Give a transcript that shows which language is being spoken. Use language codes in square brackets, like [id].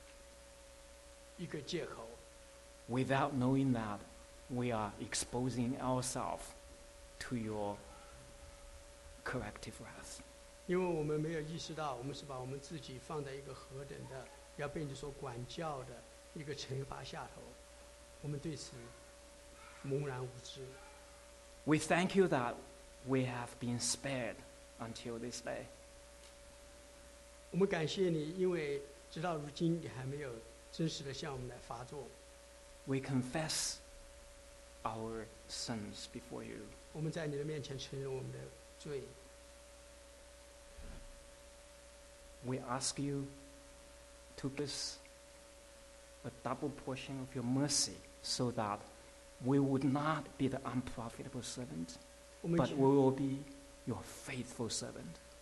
[zh] 多少时候我们把你的怜悯当作我们去犯罪的一个借口。 [en] Without knowing that, we are exposing ourselves to your corrective wrath. [zh] 因为我们没有意识到我们是把我们自己放在一个何等的要被你所管教的 一个惩罚下头，我们对此茫然无知。 [en] We thank you that we have been spared until this day. [zh] 我们感谢你，因为直到如今你还没有真实的向我们来发作。 [en] We confess our sins before you. [zh] 我们在你的面前承认我们的罪。 [en] We ask you to give us a double portion of your mercy so that we would not be the unprofitable servant, but we will be your faithful servant.